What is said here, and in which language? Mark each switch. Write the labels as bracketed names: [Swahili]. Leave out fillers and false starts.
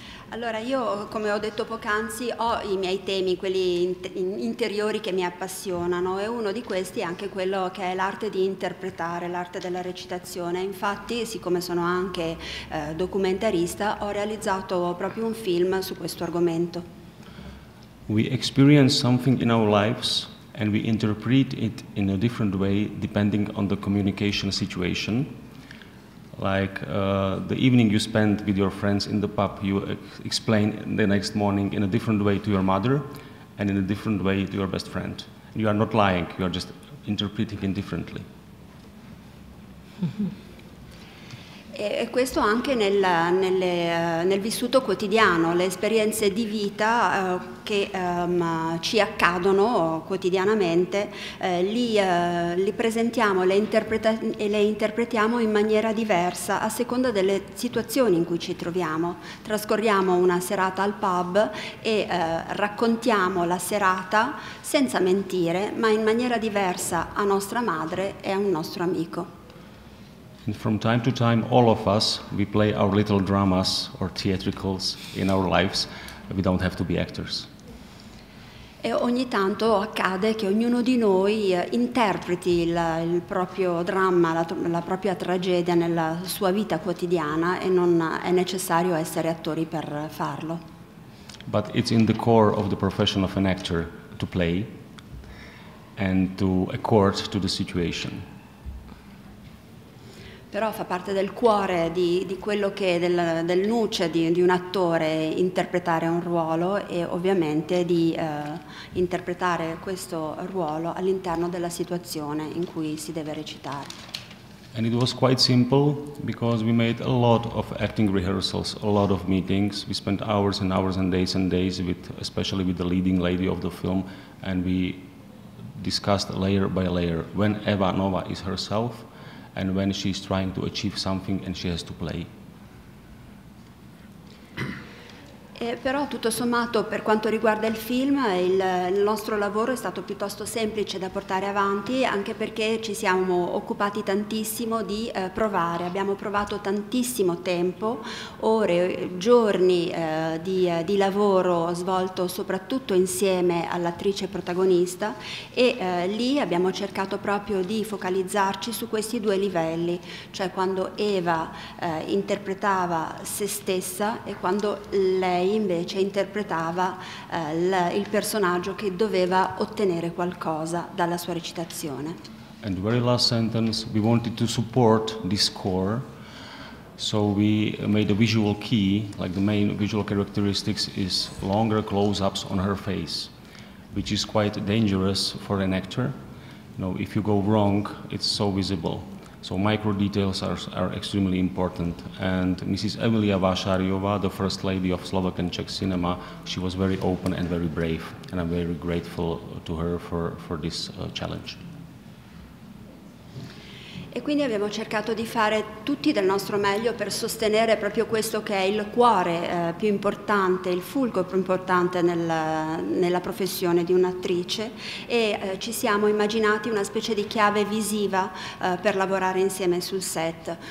[Italian] Allora, io, come ho detto poc'anzi, ho i miei temi, quelli interiori che mi appassionano, e uno di questi è anche quello che è l'arte di interpretare, l'arte della recitazione. Infatti, siccome sono anche documentarista, ho realizzato proprio un film su questo argomento. [English] We experience something in our lives and we interpret it in a different way depending on the communication situation. Like the evening you spend with your friends in the pub, you explain the next morning in a different way to your mother and in a different way to your best friend. You are not lying, you are just interpreting it differently. [Italian] E questo anche nel vissuto quotidiano, le esperienze di vita che ci accadono quotidianamente, li presentiamo le interpretiamo in maniera diversa a seconda delle situazioni in cui ci troviamo. Trascorriamo una serata al pub e raccontiamo la serata senza mentire, ma in maniera diversa a nostra madre e a un nostro amico. [English] And from time to time, all of us, we play our little dramas or theatricals in our lives. We don't have to be actors. [Italian] E ogni tanto accade che ognuno di noi interpreti il proprio dramma, la propria tragedia nella sua vita quotidiana, e non è necessario essere attori per farlo. [English] But it's in the core of the profession of an actor to play and to accord to the situation. [Italian] Però fa parte del cuore di quello che del nuce di un attore interpretare un ruolo, e ovviamente di interpretare questo ruolo all'interno della situazione in cui si deve recitare. [English] And it was quite simple because we made a lot of acting rehearsals, a lot of meetings. We spent hours and hours and days with, especially with the leading lady of the film, and we discussed layer by layer when Eva Nova is herself and when she's trying to achieve something and she has to play. [Italian] Però tutto sommato, per quanto riguarda il film, il nostro lavoro è stato piuttosto semplice da portare avanti, anche perché ci siamo occupati tantissimo di provare. Abbiamo provato tantissimo tempo, ore, giorni di lavoro svolto soprattutto insieme all'attrice protagonista, e lì abbiamo cercato proprio di focalizzarci su questi due livelli, cioè quando Eva interpretava se stessa e quando lei invece interpretava il personaggio che doveva ottenere qualcosa dalla sua recitazione. [English] And very last sentence, we wanted to support this core, so we made a visual key, like the main visual characteristics is longer close-ups on her face, which is quite dangerous for an actor. You know, if you go wrong, it's so visible. So micro details are extremely important. And Mrs. Emilia Vášáryová, the first lady of Slovak and Czech cinema, she was very open and very brave. And I'm very grateful to her for this challenge. [Italian] E quindi abbiamo cercato di fare tutti del nostro meglio per sostenere proprio questo che è il cuore più importante, il fulcro più importante nella professione di un'attrice, e ci siamo immaginati una specie di chiave visiva per lavorare insieme sul set.